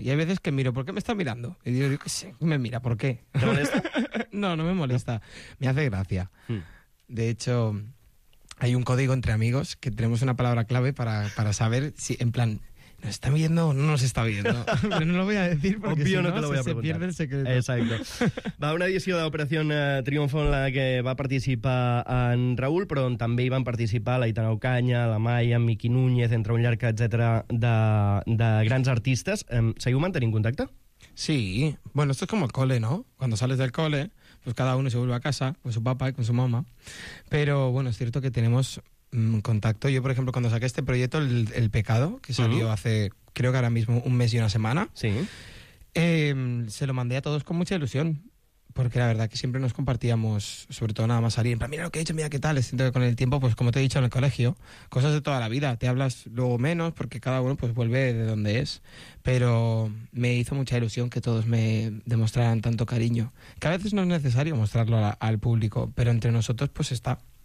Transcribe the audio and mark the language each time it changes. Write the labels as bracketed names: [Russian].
[Spanish] Y hay veces que miro, ¿por qué me está mirando? Y yo digo, sí, me mira, ¿por qué? ¿Te molesta? No, no me molesta. Me hace gracia. De hecho, hay un código entre amigos que tenemos una palabra clave para saber si, en plan, ¿nos está viendo o no nos está viendo? Pero no lo voy a decir porque obvio, si no, te lo voy a se pierde el secreto. Exacto. [Catalan] Va una edició d'Operació Triunfo en la que va participar en Raúl, però on també hi van participar la Aitana Ocaña, la Maya, Miqui Núñez, entre un llarg, etcètera, de grans artistes. Seguiu mantenint contacte? Sí. [Spanish] Bueno, esto es como el cole, ¿no? Cuando sales del cole, pues cada uno se vuelve a casa con su papá y con su mamá. Pero, bueno, es cierto que tenemos... contacto. Yo, por ejemplo, cuando saqué este proyecto, El Pecado, que salió hace, creo que ahora mismo, un mes y una semana, sí, se lo mandé a todos con mucha ilusión, porque la verdad que siempre nos compartíamos, sobre todo nada más salir, en plan, mira lo que he hecho, mira qué tal, siento que con el tiempo, pues como te he dicho en el colegio, cosas de toda la vida, te hablas luego menos, porque cada uno pues vuelve de donde es, pero me hizo mucha ilusión que todos me demostraran tanto cariño, que a veces no es necesario mostrarlo al público, pero entre nosotros pues está...